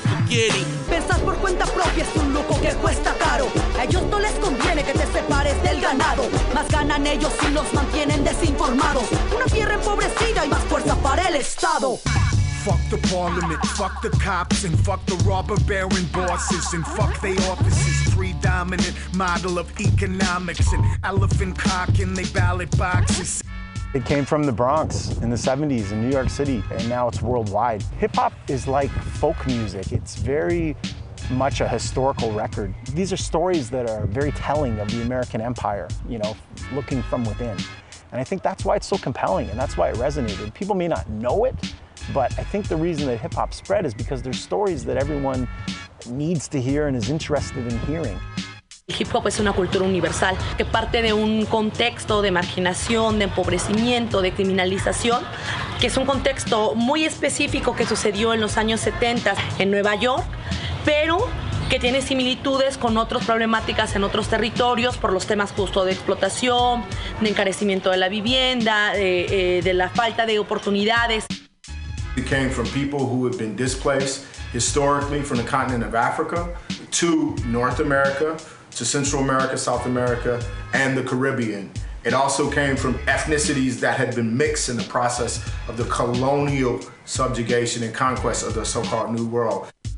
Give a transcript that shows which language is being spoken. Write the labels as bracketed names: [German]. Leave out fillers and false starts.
[Spanish] Pensar por cuenta propia es un lujo que cuesta caro. A ellos no les conviene que te separes del ganado. Más ganan ellos si los mantienen desinformados. Una tierra empobrecida y más fuerza para el Estado. [English] Fuck the parliament, fuck the cops, and fuck the robber baron bosses, and fuck they offices. Predominant model of economics and elephant cock in they ballot boxes. It came from the Bronx in the 70s in New York City, and now it's worldwide. Hip hop is like folk music. It's very much a historical record. These are stories that are very telling of the American empire, you know, looking from within. And I think that's why it's so compelling, and that's why it resonated. People may not know it, but I think the reason that hip hop spread is because there's stories that everyone needs to hear and is interested in hearing. [Spanish] El hip hop es una cultura universal que parte de un contexto de marginación, de empobrecimiento, de criminalización, que es un contexto muy específico que sucedió en los años 70 en Nueva York, pero que tiene similitudes con otras problemáticas en otros territorios por los temas justo de explotación, de encarecimiento de la vivienda, de la falta de oportunidades. [English] It came from people who have been displaced historically from the continent of Africa to North America, to Central America, South America, and the Caribbean. It also came from ethnicities that had been mixed in the process of the colonial subjugation and conquest of the so-called New World.